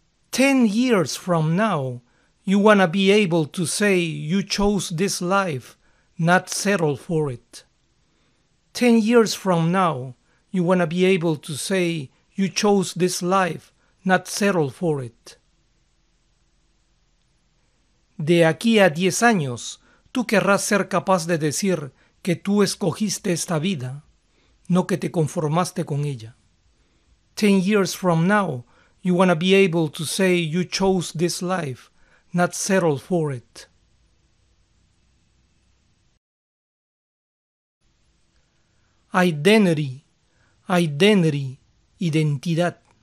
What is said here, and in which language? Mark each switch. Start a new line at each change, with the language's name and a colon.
English: Ten years from now, you wanna be able to say you chose this life, not settle for it. 10 years from now, you wanna be able to say you chose this life, not settle for it.
Spanish: De aquí a 10 años, tú querrás ser capaz de decir que tú escogiste esta vida, no que te conformaste con ella.
English: 10 years from now, you wanna be able to say you chose this life, not settle for it. Identity, identity, identidad.